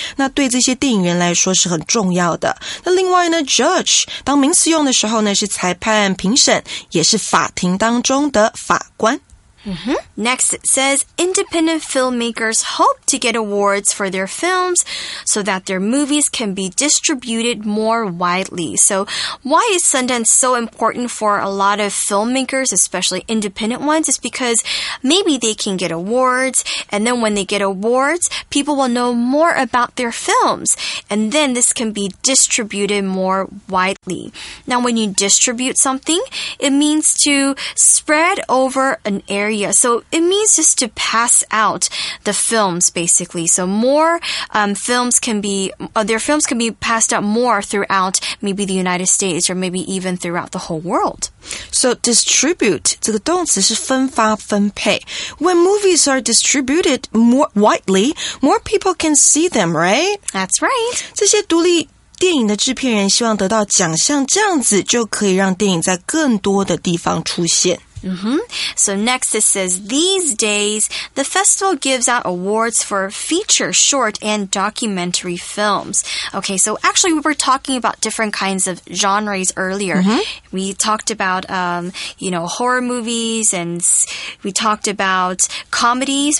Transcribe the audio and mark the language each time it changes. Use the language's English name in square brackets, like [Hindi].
[Chinese] 那对这些电影人来说是很重要的。那另外呢 ，judge 当名词用的时候呢，是裁判、评审，也是法庭当中的法官。 [English] Mm-hmm. Next, it says independent filmmakers hope to get awards for their films so that their movies can be distributed more widely. So why is Sundance so important for a lot of filmmakers, especially independent ones? It's because maybe they can get awards, and then when they get awards, people will know more about their films, and then this can be distributed more widely. Now, when you distribute something, it means to spread over an area. So it means just to pass out the films, basically. So more films can be, their films can be passed out more throughout maybe the United States or maybe even throughout the whole world. [Chinese] So distribute, 这个动词是分发分配。 [English] When movies are distributed more widely, more people can see them, right? That's right. [Chinese] 这些独立电影的制片人希望得到奖项，这样子就可以让电影在更多的地方出现。 [English] Mm-hmm. So next it says, these days, the festival gives out awards for feature, short, and documentary films. Okay, so actually we were talking about different kinds of genres earlier. Mm-hmm. We talked about, you know, horror movies, and we talked about comedies.